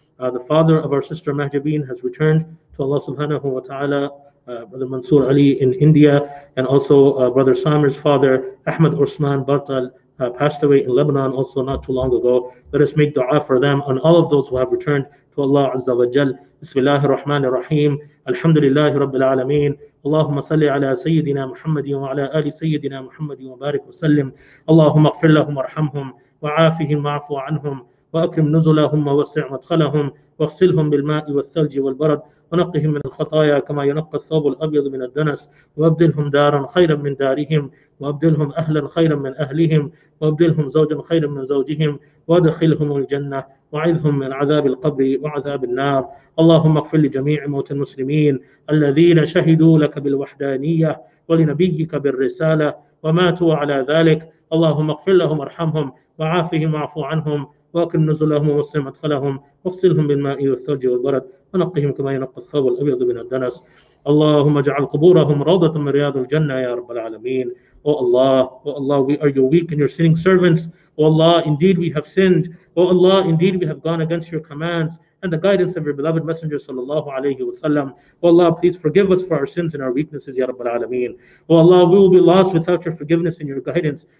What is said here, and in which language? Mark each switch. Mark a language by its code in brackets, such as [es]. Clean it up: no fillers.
[en] The father of our sister Mahjabeen has returned to Allah subhanahu wa ta'ala, Brother Mansoor Ali in India, and also Brother Samir's father, Ahmed Osman Bartal, passed away in Lebanon also not too long ago. Let us make dua for them and all of those who have returned to Allah Azza wa Jal. [ar] Bismillahir Rahmanir Rahim. Alhamdulillahi Rabbil Alameen. اللهم صل على سيدنا محمد وعلى آل سيدنا محمد وبارك وسلم. اللهم اغفر لهم وارحمهم وعافهم واعف عنهم وأكرم نزلهم ووسع مدخلهم واغسلهم بالماء والثلج والبرد ونقهم من الخطايا كما ينقى الثوب الأبيض من الدنس وأبدلهم دارا خيرا من دارهم وأبدلهم أهلا خيرا من أهلهم وأبدلهم زوجا خيرا من زوجهم وأدخلهم الجنة وعذهم من عذاب القبر وعذاب النار. اللهم اغفر لجميع موتى المسلمين الذين شهدوا لك بالوحدانية ولنبيك بالرسالة وماتوا على ذلك. اللهم اغفر لهم ارحمهم وعافهم واعف عنهم وأكرم نزلهم ووسع مدخلهم واغسلهم بالماء والثلج والبرد ونقهم كما ينقى الثوب الأبيض من الدنس. اللهم اجعل قبورهم روضة من رياض الجنة يا رب العالمين. [en] Oh Allah, we are your weak and your sinning servants. Oh Allah, indeed we have sinned. Oh Allah, indeed we have gone against your commands and the guidance of your beloved messenger sallallahu alayhi wa sallam. Oh Allah, please forgive us for our sins and our weaknesses, ya Rabbal Alameen. Oh Allah, we will be lost without your forgiveness and your guidance.